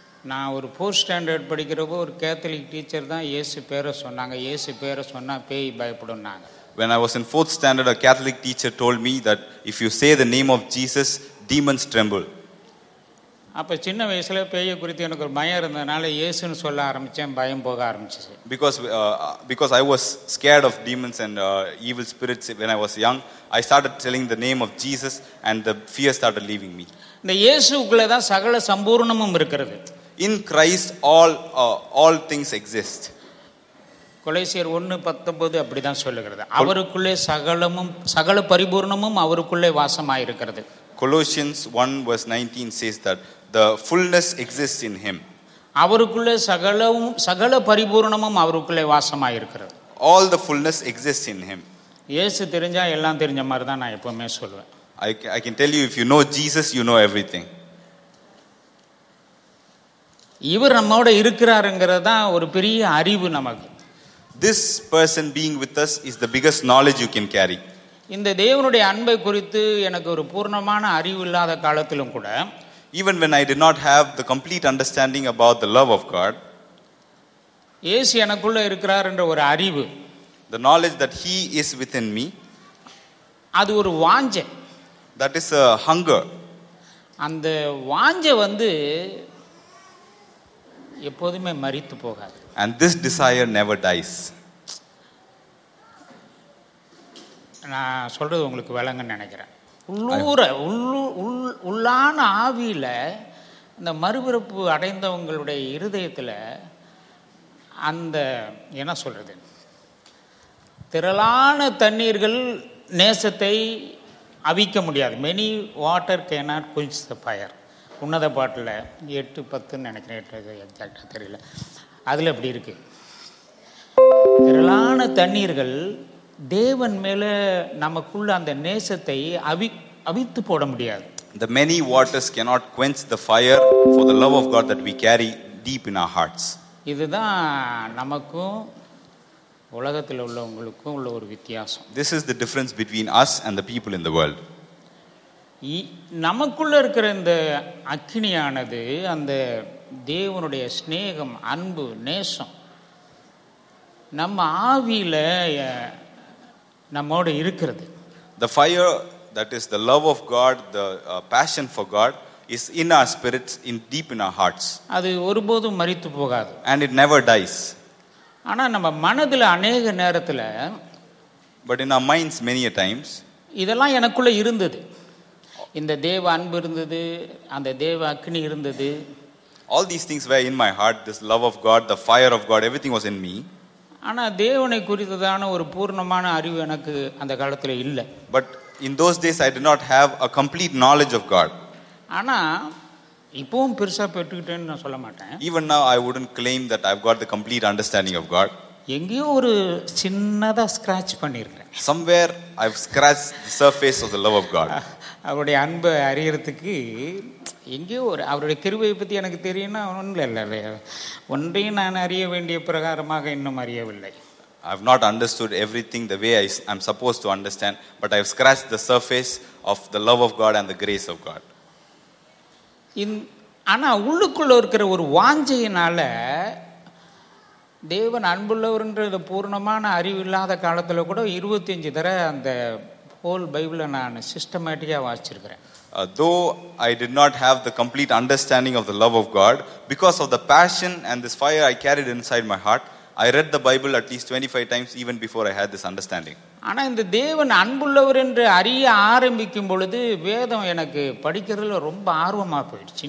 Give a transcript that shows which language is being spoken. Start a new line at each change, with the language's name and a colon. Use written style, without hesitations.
Tamil: நான் ஒரு fourth standard படிக்கிறப்போ ஒரு கேத்தலிக் டீச்சர் தான் ஏசு பேரை சொன்னாங்க, ஏசு பேரை சொன்னால் பேய் பயப்படும்னாங்க.
English: When I was in fourth standard, a Catholic teacher told me that if you say the name of Jesus, demons tremble.
Tamil: அப்போ சின்ன வயசில் பேயை குறித்து எனக்கு ஒரு பயம் இருந்ததுனால இயேசுன்னு சொல்ல ஆரம்பித்தேன், பயம் போக ஆரம்பிச்சிச்சு.
English: Because I was scared of demons and evil spirits when I was young, I started telling the name of Jesus and the fear started leaving me.
Tamil: இந்த இயேசுக்குள்ளே தான் சகல சம்பூர்ணமும் இருக்கிறது.
English: In Christ, all things exist.
Tamil: கொலோசியர் 1:19 அப்படி தான் சொல்லுகிறது, அவருக்குள்ளே சகலமும் சகல பரிபூர்ணமும் அவருக்குள்ளே வாசமாயிருக்கிறது.
English: Colossians 1:19 says that the fullness exists in him.
Tamil: அவருக்குள்ளே சகலமும் சகல பரிபூர்ணமும் அவருக்குள்ளே வாசமாயிருக்கிறது.
English: All the fullness exists in him.
Tamil: இயேசு தெரிஞ்சா எல்லாம் தெரிஞ்ச மாதிரி தான் நான் எப்பவுமே சொல்வேன்.
English: I can tell you, if you know Jesus, you know everything.
Tamil: இவர் நம்மோட இருக்கிறாருங்கிறது தான் ஒரு பெரிய அறிவு நமக்கு.
English: This person being with us is the biggest knowledge you can carry.
Tamil: இந்த தேவனுடைய அன்பை குறித்து எனக்கு ஒரு பூர்ணமான அறிவு இல்லாத காலத்திலும் கூட,
English: even when I did not have the complete understanding about the love of God,
Tamil: இயேசு எனக்குள்ள இருக்கிறார் என்ற ஒரு அறிவு,
English: the knowledge that he is within me,
Tamil: அது ஒரு வாஞ்ச,
English: that is a hunger.
Tamil: அந்த வாஞ்ச வந்து எப்போதுமே மரித்து போகாது.
English: And this desire never dies.
Tamil: நான் சொல்றது உங்களுக்கு விளங்குன்னு நினைக்கிறேன். உள்ளூர உள்ளான ஆவியில இந்த மறுபிறப்பு அடைந்தவங்களுடைய இருதயத்தில் அந்த என்ன சொல்றது, திரளான தண்ணீர்கள் நேசத்தை அவிக்க முடியாது.
English: Many water cannot quench the fire.
Tamil: உன்னத பாட்டில் 8:10 நினைக்கிறேன், எக்ஸாக்டாக தெரியல, அதில் அப்படி இருக்கு, திரளான தண்ணீர்கள் தேவன் மேலே நமக்குள்ள அந்த நேசத்தை அவித்து போட முடியாது.
English: The many waters cannot quench the fire for the love of God that we carry deep in our hearts.
Tamil: இதுதான் நமக்கும் உலகத்தில் உள்ளவங்களுக்கும் உள்ள ஒரு வித்தியாசம்.
English: This is the difference between us and the people in the world.
Tamil: நமக்குள்ள இருக்கிற இந்த அக்னியானது, அந்த தேவனுடைய ஸ்நேகம், அன்பு, நேசம் நம்ம ஆவியில நம்மோடு இருக்கிறது.
English: The fire that is the love of God, the passion for God is in our spirits, in deep in our hearts.
Tamil: அது ஒருபோதும் மரித்து போகாது.
English: And it never dies.
Tamil: ஆனா நம்ம மனதுல அநேக நேரத்துல,
English: but in our minds many a times,
Tamil: இதெல்லாம் எனக்குள்ள இருந்தது, இந்த தேவ அன்பு இருந்தது, அந்த தேவ அக்னி இருந்தது.
English: All these things were in my heart, this love of God, the fire of God, everything was in me.
Tamil: ஆனா தேவனை குறித்ததான ஒரு பூர்ணமான அறிவு எனக்கு அந்த காலத்துல இல்ல.
English: But in those days I did not have a complete knowledge of God.
Tamil: ஆனா இப்பவும் பெருசா பெற்றுக்கிட்டேன்னு சொல்ல மாட்டேன்.
English: Even now I wouldn't claim that I've got the complete understanding of God.
Tamil: எங்கயோ ஒரு சின்னதா ஸ்க்ராட்ச் பண்ணிருக்கேன்.
English: Somewhere I've scratched the surface of the love of God.
Tamil: அவருடைய அன்பை அறியறதுக்கு எங்கேயோ ஒரு, அவருடைய கிருபையை பற்றி எனக்கு தெரியும்னா ஒன்றும் இல்லை, ஒன்றையும் நான் அறிய வேண்டிய பிரகாரமாக இன்னும் அறியவில்லை.
English: I've not understood everything the way I'm supposed to understand, but I've scratched the surface of the love of God and the grace of God.
Tamil: ஆனால் உள்ளுக்குள்ள இருக்கிற ஒரு வாஞ்சையினால தேவன் அன்புள்ளவர்ன்றது பூர்ணமான அறிவு இல்லாத காலத்தில் கூட 25 தடவை அந்த ஹோல் பைபிளை நான் சிஸ்டமேட்டிக்காக வாசிச்சிருக்கிறேன்.
English: Though I did not have the complete understanding of the love of God, because of the passion and this fire I carried inside my heart, I read the Bible at least 25 times even before I had this understanding.
Tamil: ஆனா இந்த தேவன் அன்புள்ளவர் என்று அறிய ஆரம்பிக்கும் பொழுது வேதம் எனக்கு படிக்கிறதுல ரொம்ப ஆர்வமா போயிடுச்சு.